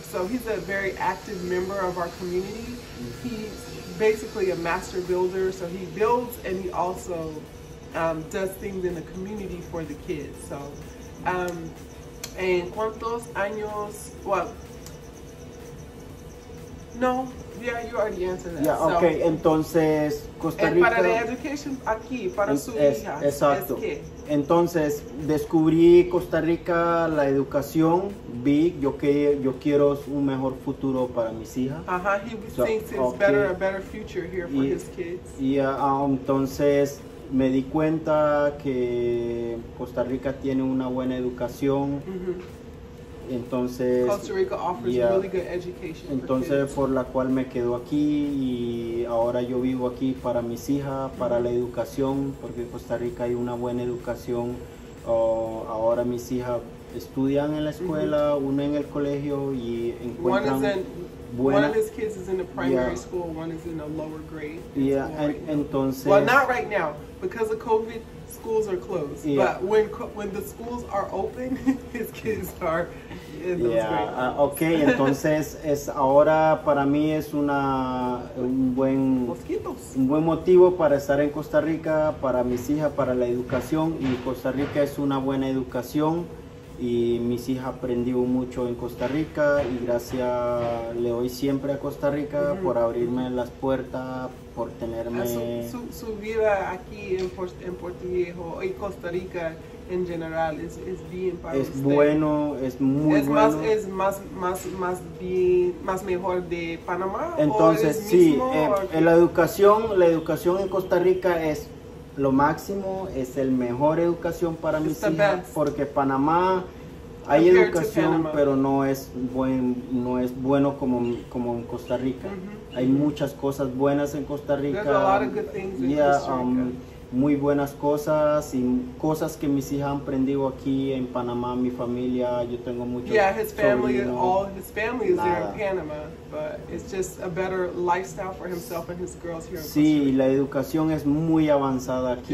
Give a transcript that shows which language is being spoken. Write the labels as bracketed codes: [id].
[en] So he's a very active member of our community. He's basically a master builder. So he builds and he also does things in the community for the kids. So, and [es] cuántos años? [en] Well, no. Yeah, you already answered that. Yeah, okay. So, [es] entonces, Costa Rica. Para la educación aquí, para su hija. Exacto. Es que, entonces, descubrí Costa Rica, la educación. Vi, yo quiero un mejor futuro para mis hijas. [en] He thinks it's a better future here for his kids. [es] Y entonces, me di cuenta que Costa Rica tiene una buena educación. Entonces, [en] Costa Rica offers really good education. [es] Entonces, [en] for kids. [es] Por la cual me quedo aquí y ahora yo vivo aquí para mis hijas, para la educación, porque en Costa Rica hay una buena educación. Ahora mis hijas estudian en la escuela, una en el colegio y encuentran [en] One of his kids is in a primary school, one is in a lower grade. Yeah, right [es] entonces. [en] Well, not right now because of COVID. schools are closed. Yeah. But when the schools are open, his kids are in those grades. Yeah. [es] Okay, entonces es ahora para mí es un buen motivo para estar en Costa Rica, para mis hijas, para la educación. Y Costa Rica es una buena educación. Y mis hijas aprendió mucho en Costa Rica y gracias le doy siempre a Costa Rica por abrirme las puertas, por tenerme... Su vida aquí en Puerto Viejo y Costa Rica en general es bien para es usted. Es bueno, es muy es bueno. ¿Es más mejor de Panamá? Entonces, o sí, mismo, en la educación en Costa Rica es... Lo máximo es el mejor educación para [en] It's [es] mis hijas, porque Panamá hay [en] Compared [es] educación, pero no es bueno como en Costa Rica. Mm-hmm. Hay muchas cosas buenas en Costa Rica. [en] There's a lot of good things in yeah, Costa Rica. [es] Muy buenas cosas y cosas que mis hijas han aprendido aquí en Panamá, mi familia, yo tengo mucho [en] Yeah, his family, sobrino. All his family is there in Panama, but it's just a better lifestyle for himself and his girls here in Costa Rica. [es] Sí, la educación es muy avanzada aquí.